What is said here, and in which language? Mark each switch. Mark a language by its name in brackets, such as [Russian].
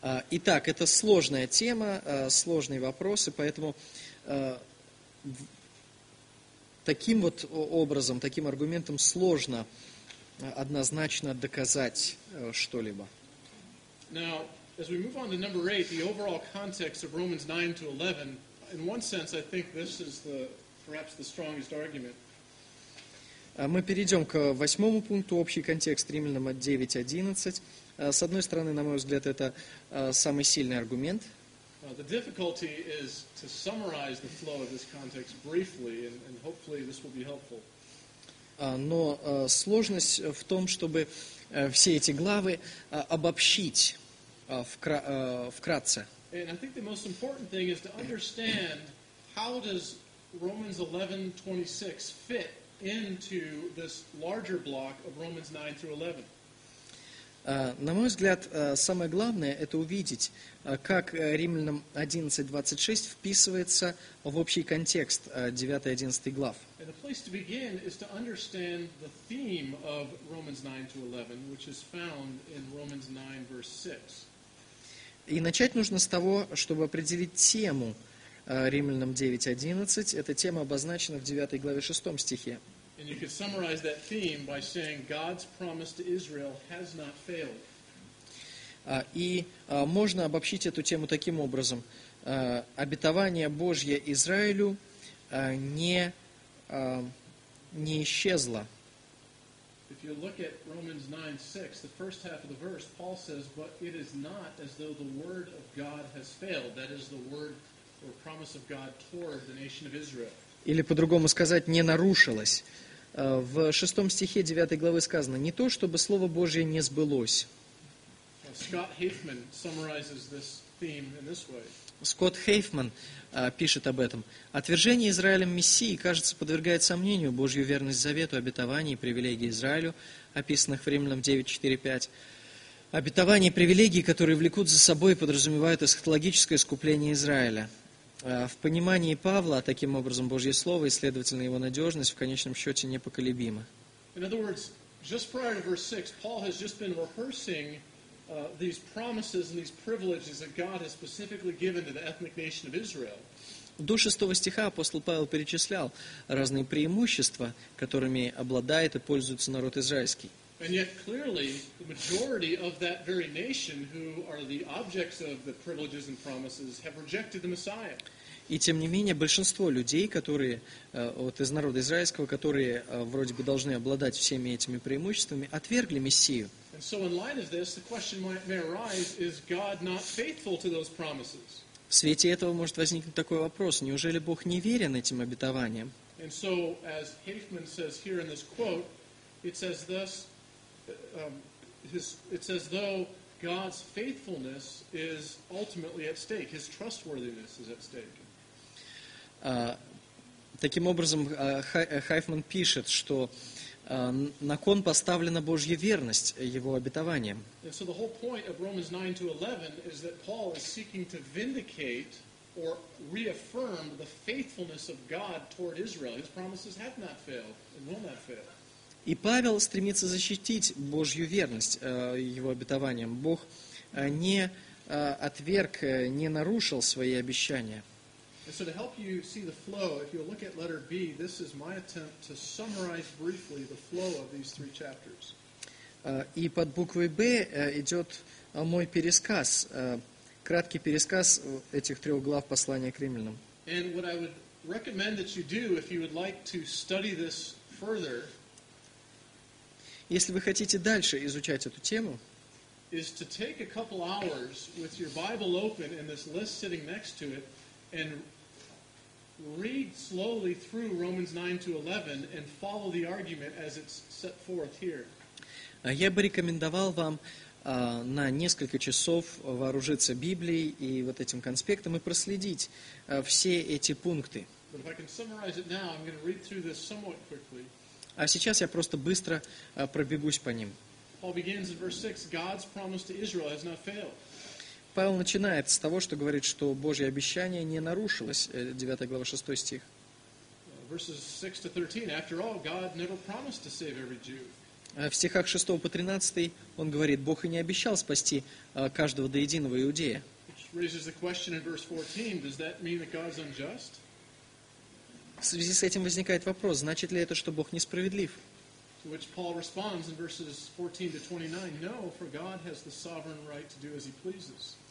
[Russian] Итак, это сложная тема, сложные вопросы, поэтому таким вот образом, таким аргументом сложно однозначно доказать что-либо. [English] Now, as we move on to number 8, the overall context of Romans 9 to 11, in one sense, I think this is the, perhaps the strongest argument. [Russian] Мы перейдем к восьмому пункту, общий контекст Римлянам 9.11. С одной стороны, на мой взгляд, это самый сильный аргумент. [English] The difficulty is to summarize the flow of this context briefly, and hopefully this will be helpful. [Russian] Но сложность в том, чтобы все эти главы обобщить вкратце. [English] And I think the most important thing is to understand how does Romans 11:26 fit into this larger block of Romans 9 through 11. [Russian] На мой взгляд, самое главное – это увидеть, как Римлянам 11:26 вписывается в общий контекст 9-11 глав. [English] And the place to begin is to understand the theme of Romans 9 to 11, which is found in Romans 9, verse 6. [Russian] И начать нужно с того, чтобы определить тему Римлянам 9:11. Эта тема обозначена в 9 главе 6 стихе. [English] And you could summarize that theme by saying God's promise to Israel has not failed. [Russian] И можно обобщить эту тему таким образом. Обетование Божье Израилю не исчезло. [English] If you look at Romans 9:6, the first half of the verse, Paul says, but it is not as though the word of God has failed. That is the word or promise of God toward the nation of Israel. [Russian] Или по-другому сказать, не нарушилось. В шестом стихе 9 главы сказано, не то, чтобы Слово Божье не сбылось. [English] Scott Heifman summarizes this theme in this way. [Russian] Скотт Хейфман пишет об этом. Отвержение Израилем Мессии, кажется, подвергает сомнению Божью верность завету, обетований и привилегий Израилю, описанных в Римлянам 9:4-5. Обетования и привилегии, которые влекут за собой и подразумевают эсхатологическое искупление Израиля. В понимании Павла, таким образом, Божье Слово и, следовательно, его надежность в конечном счете непоколебима. [English] In other words, just prior to verse 6, Paul has just been rehearsing these promises and these privileges that God has specifically given to the ethnic nation of Israel. [Russian] До шестого стиха апостол Павел перечислял разные преимущества, которыми обладает и пользуется народ израильский. [English] And yet, clearly, the majority of that very nation who are the objects of the privileges and promises have rejected the Messiah. [Russian] И тем не менее, большинство людей, которые вот из народа израильского, которые вроде бы должны обладать всеми этими преимуществами, отвергли Мессию. [English] And so, in light of this, the question may arise, is God not faithful to those promises? [Russian] В свете этого может возникнуть такой вопрос, неужели Бог не верен этим обетованиям? [English] And so, as Heifman says here in this quote, it says thus, it says though God's faithfulness is ultimately at stake, his trustworthiness is at stake. [Russian] Таким образом, Хайфман пишет, что на кон поставлена Божья верность его обетованиям. [English] And so the whole point of Romans 9 to 11 is that Paul is seeking to vindicate or reaffirm the faithfulness of God toward Israel. His promises have not failed and will not fail. [Russian] И Павел стремится защитить Божью верность его обетованиям. Бог не отверг, не нарушил свои обещания. [English] And so to help you see the flow, if you look at letter B, this is my attempt to summarize briefly the flow of these three chapters. [Russian] И под буквой B идет мой пересказ, краткий пересказ этих трех глав послания к Римлянам. [English] And what I would recommend that you do, if you would like to study this further, [Russian] если вы хотите дальше изучать эту тему, [English] is to take a couple hours with your Bible open and this list sitting next to it and read slowly through Romans 9 to 11 and follow the argument as it's set forth here. [Russian] Я бы рекомендовал вам на несколько часов вооружиться Библией и вот этим конспектом и проследить все эти пункты. [English] But if I can summarize it now, I'm going to read through this somewhat quickly. [Russian] А сейчас я просто быстро пробегусь по ним. [English] Paul begins in verse 6, God's promise to Israel has not failed. [Russian] Павел начинает с того, что говорит, что Божье обещание не нарушилось, 9 глава 6 стих. [English] verses 6 to 13, after all, God never promised to save every Jew. [Russian] В стихах 6 по 13 он говорит, Бог и не обещал спасти каждого до единого иудея. [English] Which raises the question in verse 14, does that mean that God's unjust? [Russian] В связи с этим возникает вопрос, значит ли это, что Бог несправедлив? [English] To which Paul responds in verses 14 to 29, no, for God has the sovereign right to do as he pleases.